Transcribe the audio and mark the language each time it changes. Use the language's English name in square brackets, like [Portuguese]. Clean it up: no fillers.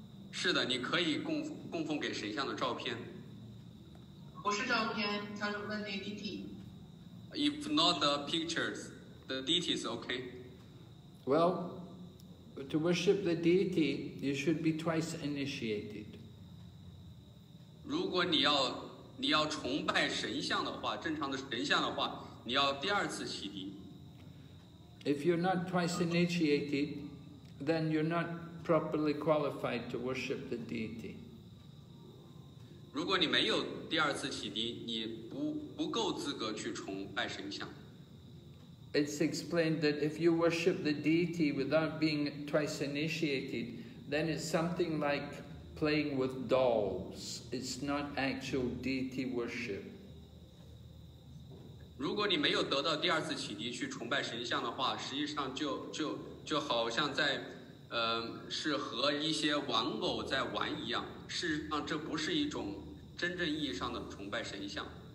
[Chinese] 是的，你可以供奉给神像的照片。不是照片，他是问那deity。 [English] If not the pictures, the deity is okay. Well, to worship the deity, you should be twice initiated. [Chinese] 如果你要崇拜神像的话，正常的神像的话，你要第二次启迪。 [English] If you're not twice initiated, then you're not properly qualified to worship the deity. [Chinese] 如果你没有第二次启迪，你不够资格去崇拜神像。 [English] It's explained that if you worship the deity without being twice initiated, then it's something like playing with dolls. It's not actual deity worship. [Chinese] 如果你没有得到第二次启迪去崇拜神像的话，实际上就好像在是和一些玩偶在玩一样，事实上这不是一种真正意义上的崇拜神像。